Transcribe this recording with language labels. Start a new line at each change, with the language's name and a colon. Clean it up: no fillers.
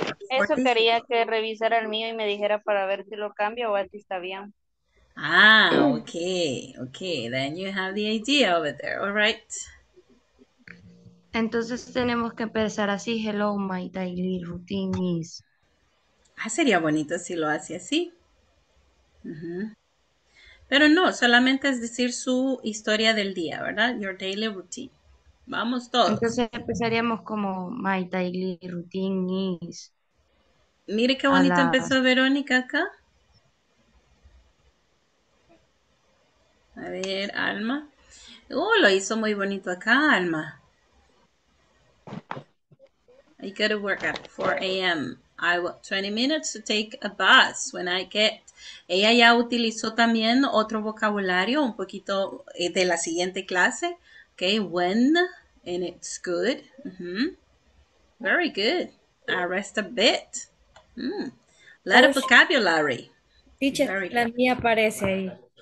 Spanish: Eso quería que revisara el mío y me dijera para ver si lo cambio o si está bien. Ah, ok.
English: Then you have the idea over there, all right.
Spanish: Entonces tenemos que empezar así.
English: Hello, my daily routine is.
Spanish: Ah, sería bonito si lo hace así. Uh-huh. Pero no, solamente es decir su historia del día, ¿verdad?
English: Your daily routine.
Spanish: Vamos todos. Entonces empezaríamos como
English: my daily routine is.
Spanish: Mire qué bonito empezó Verónica acá. A ver, Alma. Lo hizo muy bonito acá, Alma.
English: I go to work at 4 a.m. I want 20 minutes to take a bus when I get...
Spanish: Ella ya utilizó también otro vocabulario, un poquito de la siguiente clase.
English: Okay, when, and it's good. Mm-hmm. Very good. I rest a bit. A lot of vocabulary.
Spanish: Teacher, la mía aparece ahí.